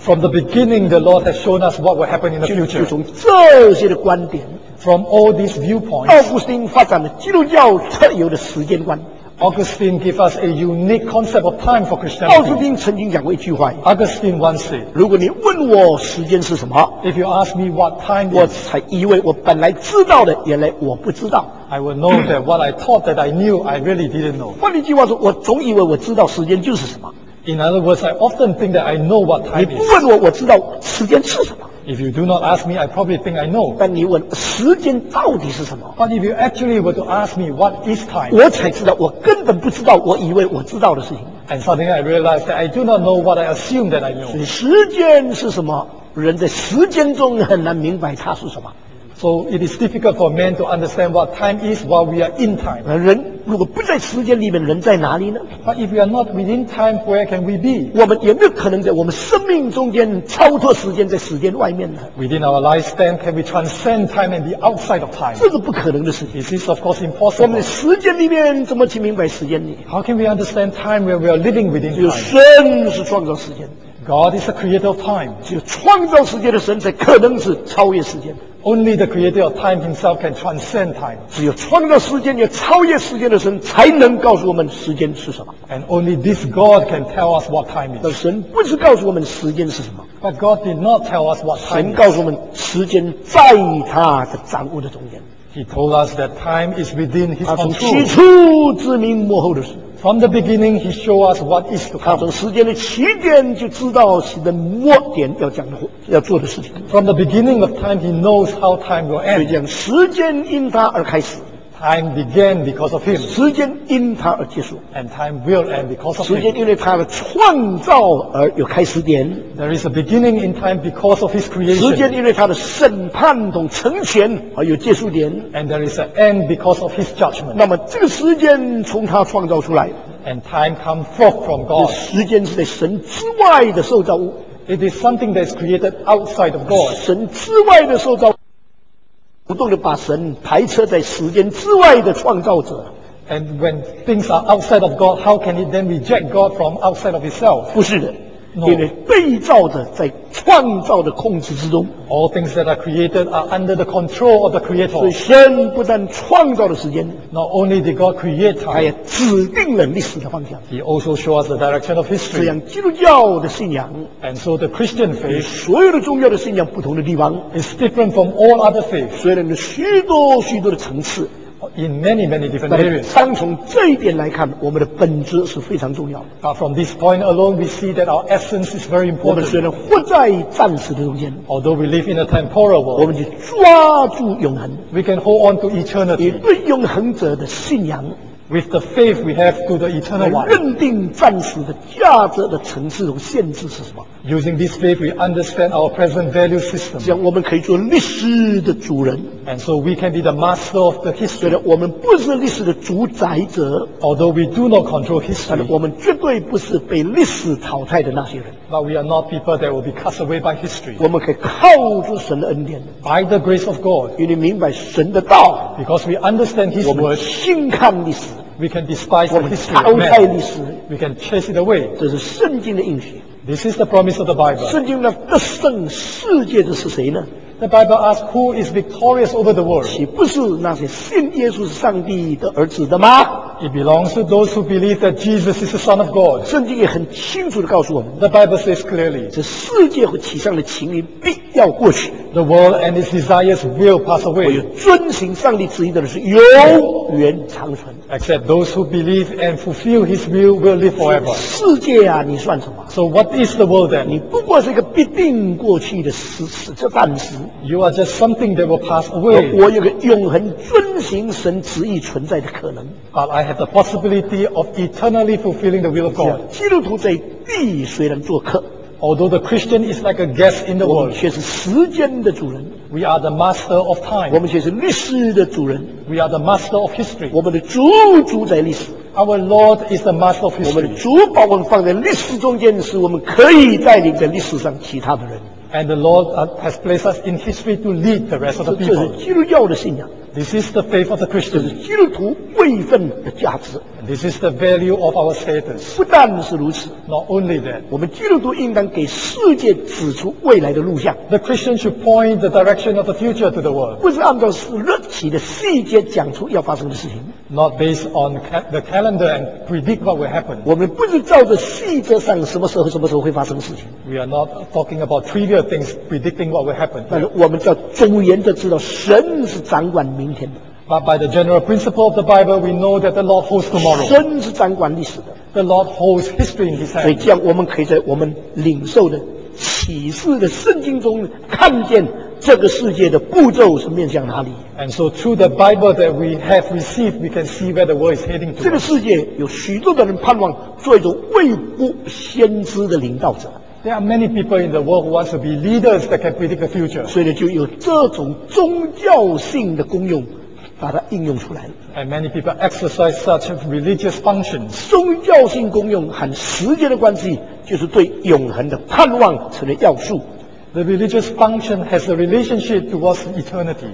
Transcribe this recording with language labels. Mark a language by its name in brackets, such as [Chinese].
[English] From the beginning, the Lord has shown us what will happen in the future. [Chinese] 就从这些的观点 [English] ，from all these viewpoints， [Chinese] 奥古斯丁发展了基督教特有的时间观。 [English] Augustine gave us a unique concept of time for Christianity. [Chinese] 奥古斯丁曾经讲过一句话 [English] ，Augustine once said， [Chinese] 如果你问我时间是什么 [English] ，if you ask me what time is， [Chinese] 我才以为我本来知道的，原来我不知道。 [English] I will know that what I thought that I knew, I really didn't know. [Chinese] 换一句话说，我总以为我知道时间就是什么。 [English] In other words, I often think that I know what time is. [Chinese] 你不问我，我知道时间是什么。 [English] If you do not ask me, I probably think I know. [Chinese] 但你问时间到底是什么 [English] ？But if you actually were to ask me what is time, [Chinese] 我才知道我根本不知道我以为我知道的事情。 [English] And suddenly I realized that I do not know what I assume that I know. [Chinese] 所以时间是什么？人在时间中很难明白它是什么。 [English] So it is difficult for men to understand what time is while we are in time. [Chinese] 人如果不在时间里面，人在哪里呢？ [English] But if we are not within time, where can we be? [Chinese] 我们有没有可能在我们生命中间超脱时间，在时间外面呢？ [English] Within our lifespan, can we transcend time and be outside of time? [Chinese] 这是不可能的事情。 [English] This is of course impossible. [Chinese] 我们在时间里面怎么去明白时间呢？ [English] How can we understand time when we are living within time? [Chinese] 只有神是创造时间。 [English] God is the creator of time. [Chinese] 只有创造世界的神才可能是超越时间。 [English] Only the creator of time himself can transcend time. [Chinese] 只有创造时间也超越时间的神才能告诉我们时间是什么。 [English] And only this God can tell us what time is. [Chinese] 神不是告诉我们时间是什么。 [English] But God did not tell us what time is. [Chinese] 神告诉我们时间在他的掌握的中间。 [English] He told us that time is within his control. [Chinese] 他从起初指明幕后的事。 [English] From the beginning, he showed us what is to come. [Chinese] 他从时间的起点就知道时间的末点要讲的要做的事情。 [English] From the beginning of time, he knows how time will end. [Chinese] 所以讲时间因他而开始。 [English] Time began because of him. [Chinese] 时间因他而结束。 [English] And time will end because of him. [Chinese] 时间因为他的创造而有开始点。 [English] There is a beginning in time because of his creation. [Chinese] 时间因为他的审判同成全而有结束点。 [English] And there is an end because of his judgment. [Chinese] 那么这个时间从他创造出来。 [English] And time comes forth from God. [Chinese] 时间是在神之外的受造物。 [English] It is something that is created outside of God. [Chinese] 神之外的受造物。不断地把神排斥在时间之外的创造者。 [English] And when things are outside of God, how can it then reject God from outside of itself? [Chinese] 不是的， [English] no. [Chinese] 因为被造者在创造的控制之中。 [English] All things that are created are under the control of the Creator. [Chinese] 所以神不但创造了时间， [English] not only did God create time, [Chinese] 他也指定了历史的方向。 [English] He also showed us the direction of history. [Chinese] 这样基督教的信仰， [English] and so the Christian faith, [Chinese] 与所有的宗教的信仰不同的地方， [English] is different from all other faiths. [Chinese] 虽然有许多许多的层次， [English] in many many different areas. [Chinese] 单从这一点来看，我们的本质是非常重要的。 [English] From this point alone, we see that our essence is very important. [Chinese] 我们虽然活在暂时的中间 [English] ，although we live in a temporal world， [Chinese] 我们就抓住永恒。 [English] We can hold on to eternity. [Chinese] 以对永恒者的信仰。 [English] With the faith we have to the eternal one， [Chinese] 认定暂时的价值的层次和限制是什么 [English] ？Using this faith, we understand our present value system。 [Chinese] 这样我们可以做历史的主人 [English] ，and so we can be the master of the history。 [Chinese] 虽然我们不是历史的主宰者 [English] ，although we do not control history， [Chinese] 但我们绝对不是被历史淘汰的那些人。 [English] But we are not people that will be cast away by history。 [Chinese] 我们可以靠着神的恩典 [English] ，by the grace of God， [Chinese] 因为明白神的道 [English] ，because we understand His word， [Chinese] 我们轻看历史。 [English] We can despise the history of man. We can chase it away. [Chinese] 这是圣经的应许。 [English] This is the promise of the Bible. [Chinese] 圣经的得胜世界的是谁呢？ [English] The Bible asks, who is victorious over the world? [Chinese] 岂不是那些信耶稣是上帝的儿子的吗？ [English] It belongs to those who believe that Jesus is the Son of God. [Chinese] 圣经也很清楚地告诉我们。 [English] The Bible says clearly, [Chinese] 这世界和其上的情欲必要过去。 [English] The world and its desires will pass away. [Chinese] 唯有遵行上帝旨意的人是永远长存。 [English] Except those who believe and fulfill His will live forever. [Chinese] 世界啊，你算什么 [English] ？So what is the world then? [Chinese] 你不过是一个必定过去的时暂时。 [English] You are just something that will pass away. [Chinese] 我有个永恒遵行神旨意存在的可能。 [English] But I have the possibility of eternally fulfilling the will of God. [Chinese] 基督徒在地虽然做客。 [English] Although the Christian is like a guest in the world, [Chinese] 我们却是时间的主人。 [English] We are the master of time. [Chinese] 我们却是历史的主人。 [English] We are the master of history. [Chinese] 我们的主主宰历史。 [English] Our Lord is the master of history. [Chinese] 我们的主把我们放在历史中间，使我们可以带领在历史上其他的人。 [English] And the Lord has placed us in history to lead the rest of the people. [Chinese] 这是基督教的信仰。 [English] This is the faith of the Christian. [Chinese] 这是基督徒位分的价值。 [English] This is the value of our status. [Chinese] 不但是如此 [English] ，Not only that， [Chinese] 我们基督徒应当给世界指出未来的路向。 [English] The Christian should point the direction of the future to the world. [Chinese] 不是按照日期的细节讲出要发生的事情。 [English] Not based on the calendar and predict what will happen. [Chinese] 我们不是照着细节上什么时候什么时候会发生的事情。 [English] We are not talking about trivial things predicting what will happen. [Chinese] 但是我们要总而言之知道神是掌管明天的。 [English] But by the general principle of the Bible, we know that the Lord holds tomorrow. [Chinese] 神是掌管历史的。 [English] The Lord holds history in His hand. [Chinese] 所以这样，我们可以在我们领受的启示的圣经中看见这个世界的步骤是面向哪里。 [English] And so through the Bible that we have received, we can see where the world is heading to. [Chinese] 这个世界有许多的人盼望做一种未卜先知的领导者。 [English] There are many people in the world who want to be leaders that can predict the future. [Chinese] 所以就有这种宗教性的功用。把它应用出来。 [English] And many people exercise such religious functions. [Chinese] 宗教性功用和时间的关系，就是对永恒的盼望成了要素。 [English] The religious function has a relationship towards eternity.